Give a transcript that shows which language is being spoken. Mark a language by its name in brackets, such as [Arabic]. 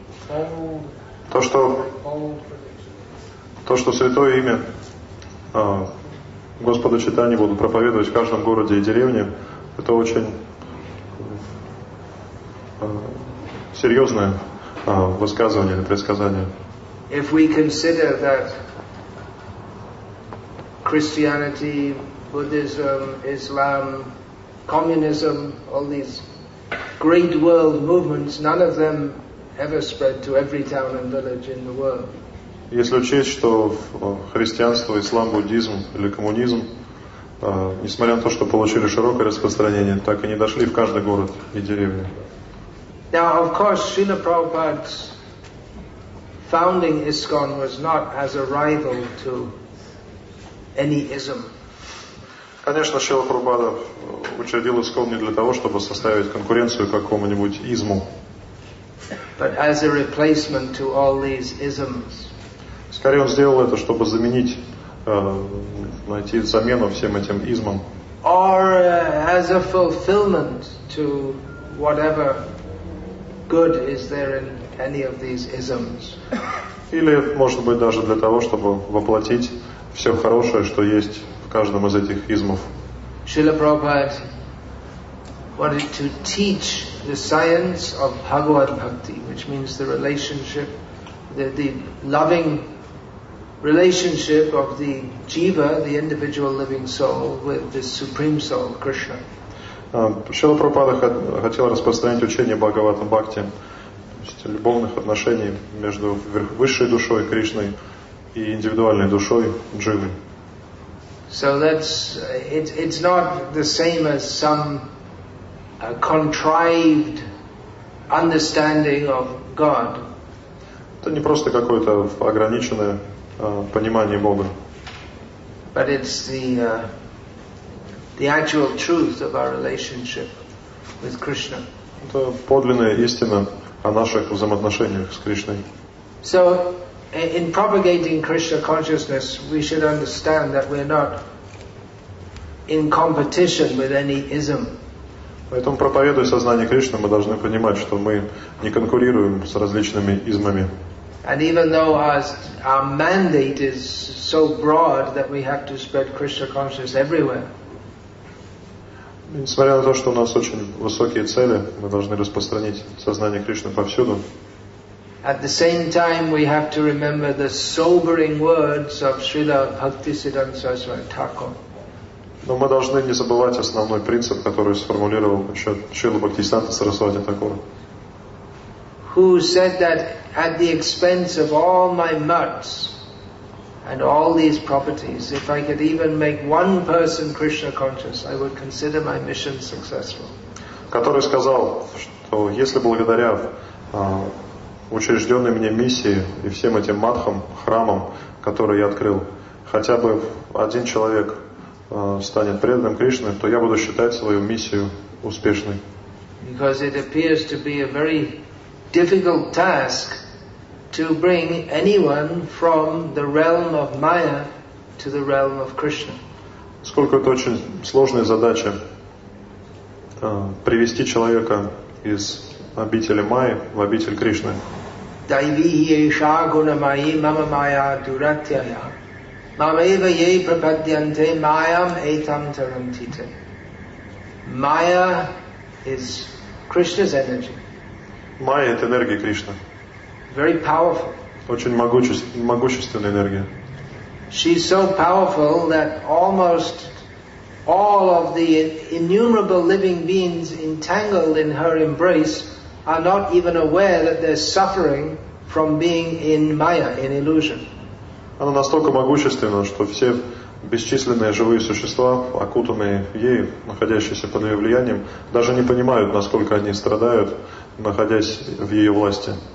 [Russian] То, что святое имя Господа Чайтаньи будут проповедовать в каждом городе и деревне, это очень серьезное высказывание или предсказание. [English] If we consider that Christianity, Buddhism, Islam, communism, all these great world movements, none of them ever spread to every town and village in the world. [Russian] Если учесть, что христианство, ислам, буддизм или коммунизм, несмотря на то, что получили широкое распространение, так и не дошли в каждый город и деревню. [English] Now, of course, Srila Prabhupada's founding ISKCON was not as a rival to any ism. [Russian] Конечно, Шрила Прабхупада учредил ИСКОН не для того, чтобы составить конкуренцию какому-нибудь изму. [English] But as a replacement to all these isms. [Russian] Скорее, он сделал это, чтобы заменить, найти замену всем этим измам. [English] Or as a fulfillment to whatever good is there in any of these isms. [Russian] Или, может быть, даже для того, чтобы воплотить все хорошее, что есть в каждом из этих измов. [English] Srila Prabhupada wanted to teach the science of Bhagavad Bhakti, which means the relationship, the loving relationship of the jiva, the individual living soul, with the supreme soul, Krishna. [Russian] Srila Prabhupada хотел распространить учение Бхагават Бхакти, то есть любовных отношений между высшей душой Кришной и индивидуальной душой дживы. [English] So that's it's not the same as some contrived understanding of God. [Russian] Это не просто какое-то ограниченное понимание Бога. [English] But it's the actual truth of our relationship with Krishna. [Russian] Это подлинная истина о наших взаимоотношениях с Кришной. [English] So In propagating Krishna consciousness, we should understand that we're not in competition with any ism. [Russian] Поэтому, проповедуя сознание Кришны, мы должны понимать, что мы не конкурируем с различными измами. [English] And even though our mandate is so broad that we have to spread Krishna consciousness everywhere. [Russian] Несмотря на то, что у нас очень высокие цели, мы должны распространить сознание Кришны повсюду. [English] At the same time, we have to remember the sobering words of Srila Bhaktisiddhanta Saraswati Thakur. [Russian] Но мы должны не забывать основной принцип, который сформулировал Шрила Бхактисиддханта Сарасвати Такура. [English] Who said that at the expense of all my mutts and all these properties, if I could even make one person Krishna conscious, I would consider my mission successful. [Russian] Который сказал, что если благодаря учрежденной мне миссии и всем этим матхам, храмам, которые я открыл, хотя бы один человек станет преданным Кришной, то я буду считать свою миссию успешной. [English] Because it appears to be a very difficult task to bring anyone from the realm of Maya to the realm of Krishna. [Russian] Сколько это очень сложная задача привести человека из обители Майи в обитель Кришны. [Sanskrit] Дайвиеша гунамайи мама майя дуратьяя. Mamaiva ye prapadyante mayam etam tarantite. [English] Maya is Krishna's energy. [Russian] Maya – это энергия Кришны. [English] Very powerful. [Russian] Очень могущественная энергия. [English] She's so powerful that almost all of the innumerable living beings entangled in her embrace are not even aware that they're suffering from being in Maya, in illusion. [Russian] Она настолько могущественна, что все бесчисленные живые существа, окутанные ею, находящиеся под ее влиянием, даже не понимают, насколько они страдают, находясь в ее власти.